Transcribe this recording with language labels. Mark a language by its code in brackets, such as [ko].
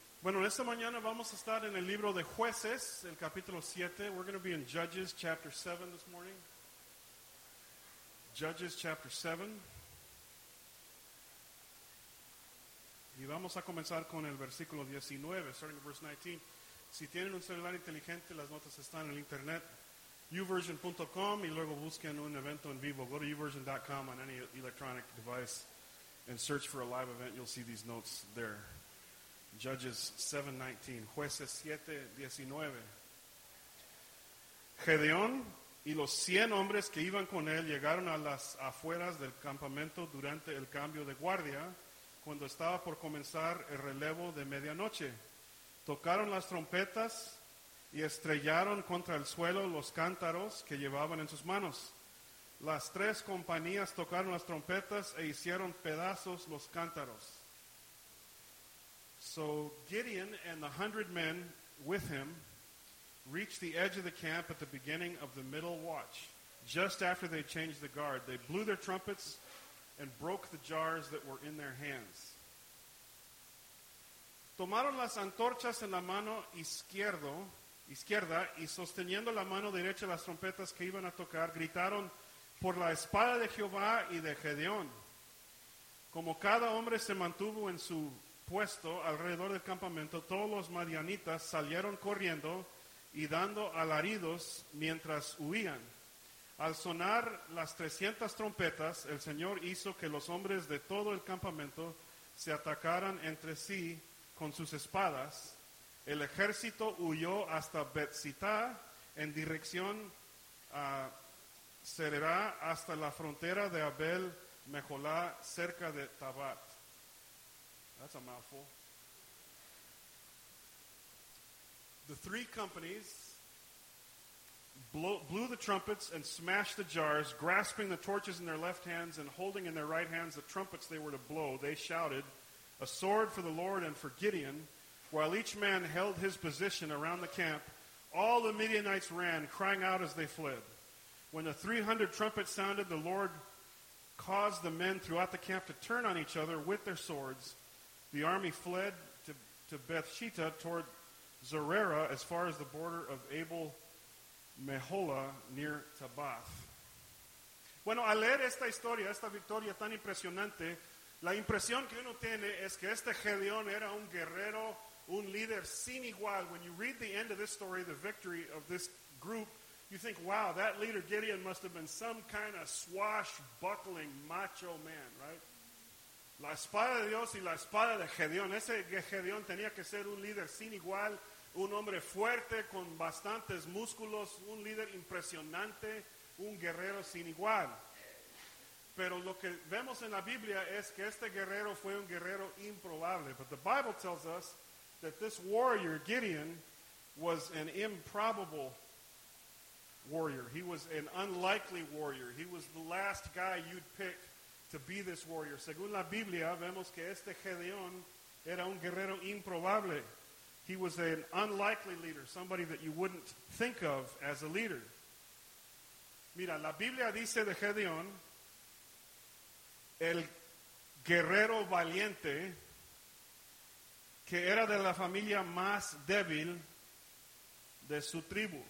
[es] Bueno, esta mañana vamos a estar en el libro de Jueces, el capítulo 7. [en] We're going to be in Judges, chapter 7 this morning. Judges, chapter 7. [es] Y vamos a comenzar con el versículo 19, [en] starting with verse 19. [es] Si tienen un celular inteligente, las notas están en el internet. YouVersion.com y luego busquen un evento en vivo. [en] Go to YouVersion.com on any electronic device and search for a live event. You'll see these notes there. Judges 7:19, Jueces 7:19. [es] Gedeón y los 100 hombres que iban con él llegaron a las afueras del campamento durante el cambio de guardia, cuando estaba por comenzar el relevo de medianoche. Tocaron las trompetas y estrellaron contra el suelo los cántaros que llevaban en sus manos. Las tres compañías tocaron las trompetas e hicieron pedazos los cántaros. [en] So Gideon and the 100 men with him reached the edge of the camp at the beginning of the middle watch, just after they changed the guard. They blew their trumpets and broke the jars that were in their hands. [es] Tomaron las antorchas en la mano izquierda y sosteniendo la mano derecha las trompetas que iban a tocar, gritaron por la espada de Jehová y de Gedeón. Como cada hombre se mantuvo en su puesto alrededor del campamento, todos los madianitas salieron corriendo y dando alaridos mientras huían. Al sonar las 300 trompetas, el Señor hizo que los hombres de todo el campamento se atacaran entre sí con sus espadas. El ejército huyó hasta Betzita en dirección a Sererá, hasta la frontera de Abel Meholá, cerca de Tabat. [en] That's a mouthful. The three companies blew the trumpets and smashed the jars, grasping the torches in their left hands and holding in their right hands the trumpets they were to blow. They shouted, "A sword for the Lord and for Gideon," while each man held his position around the camp. All the Midianites ran, crying out as they fled. When the 300 trumpets sounded, the Lord caused the men throughout the camp to turn on each other with their swords. The army fled to Bethshitta toward Zerera as far as the border of Abel Mehola near Tabath. [es] Bueno, al leer esta historia, esta victoria tan impresionante, la impresión que uno tiene es que este Gedeón era un guerrero, un líder sin igual. [en] When you read the end of this story, the victory of this group, you think, wow, that leader Gideon must have been some kind of swashbuckling macho man, right? [es] La espada de Dios y la espada de Gedeón. Ese Gedeón tenía que ser un líder sin igual, un hombre fuerte con bastantes músculos, un líder impresionante, un guerrero sin igual. Pero lo que vemos en la Biblia es que este guerrero fue un guerrero improbable. [en] But the Bible tells us that this warrior, Gideon, was an improbable warrior. He was an unlikely warrior. He was the last guy you'd pick to be this warrior. [es] Según la Biblia, vemos que este Gedeón era un guerrero improbable. [en] He was an unlikely leader, somebody that you wouldn't think of as a leader. [es] Mira, la Biblia dice de Gedeón, el guerrero valiente, que era de la familia más débil de su tribu.